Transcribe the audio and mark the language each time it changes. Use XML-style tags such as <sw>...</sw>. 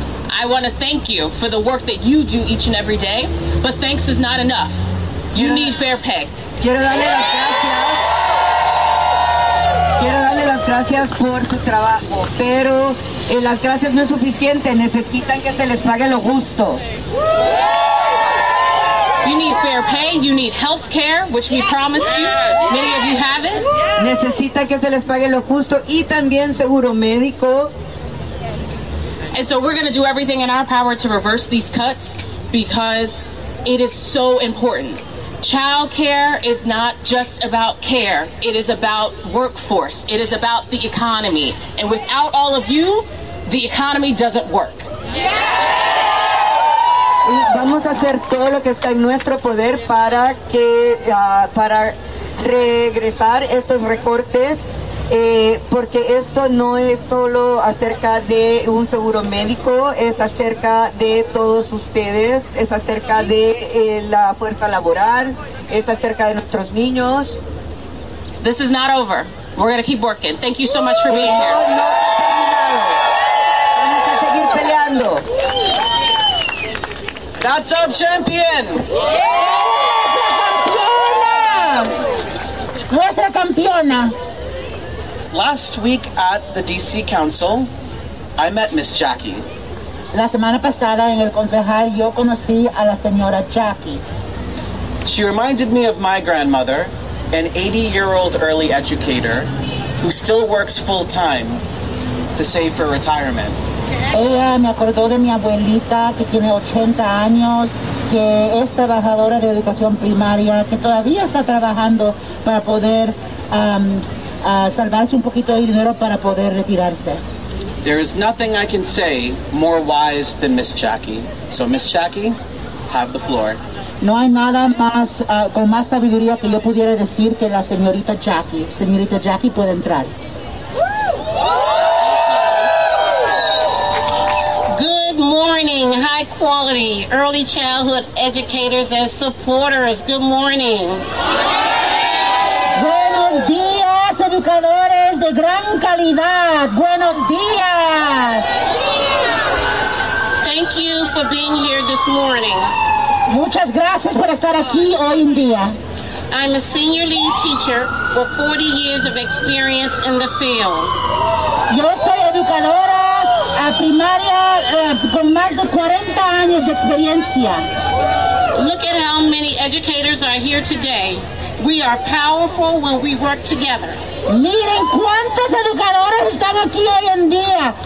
<en>I want to thank you for the work that you do each and every day, but thanks is not enough. You need fair pay.</en> <es>Quiero darle las gracias. Quiero darle las gracias por su trabajo, pero las gracias no es suficiente. Necesitan que se les pague lo justo.</es> <en>You need fair pay. You need health care, which we promised you. Many of you have it.</en> <es>Necesita que se les pague lo justo y también seguro médico.</es> <en>And so we're going to do everything in our power to reverse these cuts because it is so important. Child care is not just about care. It is about workforce. It is about the economy. And without all of you, the economy doesn't work. Yeah!</en> <es>Vamos a hacer todo lo que está en nuestro poder para que para regresar estos recortes, porque esto no es solo acerca de un seguro médico, es acerca de todos ustedes, es acerca de la fuerza laboral, es acerca de nuestros niños.</es> <en>This is not over. We're going to keep working. Thank you so much for being here.</en> <es>Vamos a seguir peleando.</es> <en>That's our champion.</en> <es>Nuestra campeona.</es> <en>Last week at the DC Council, I met Miss Jackie.</en> <es>La semana pasada en el concejal yo conocí a la señora Jackie.</es> <en>She reminded me of my grandmother, an 80-year-old early educator who still works full-time to save for retirement.</en> <es>Ella me acordó de mi abuelita que tiene 80 años, que es trabajadora de educación primaria, que todavía está trabajando para poder salvarse un poquito de dinero para poder retirarse.</es> <en>There is nothing I can say more wise than Miss Jackie. So Miss Jackie, have the floor.</en> <es>No hay nada más con más sabiduría que yo pudiera decir que la señorita Jackie. Señorita Jackie puede entrar.</es> <en>Good morning, high quality early childhood educators and supporters. Good morning.</en> <es>Buenos días, educadores de gran calidad. Buenos días.</es> <en>Thank you for being here this morning.</en> <es>Muchas gracias por estar aquí hoy en día.</es> <en>I'm a senior lead teacher with 40 years of experience in the field.</en> <es>Yo soy educadora a primaria con más de 40 años de experiencia.</es> <en>Look at how many educators are here today. We are powerful when we work together.</en> <es>Miren cuántos educadores están aquí hoy en día.</es>